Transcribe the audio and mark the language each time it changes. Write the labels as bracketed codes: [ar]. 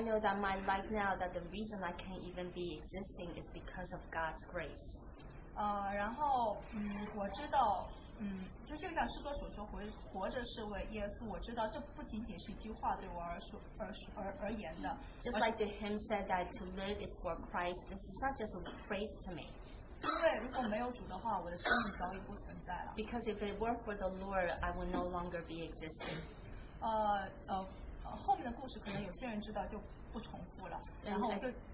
[en] know that my life now, that the reason I can even be existing is because of God's grace. [zh] 然后我知道。就像诗歌所说，活着是为耶稣。我知道这不仅仅是一句话对我而言的。 [en] Just like the hymn said that to live is for Christ. This is not just a phrase to me. [zh] 因为如果没有主的话，我的生命早已不存在了。 [en] Because if it weren't for the Lord, I would no longer be existing. [zh] 后面的故事可能有些人知道就不重复了。然后就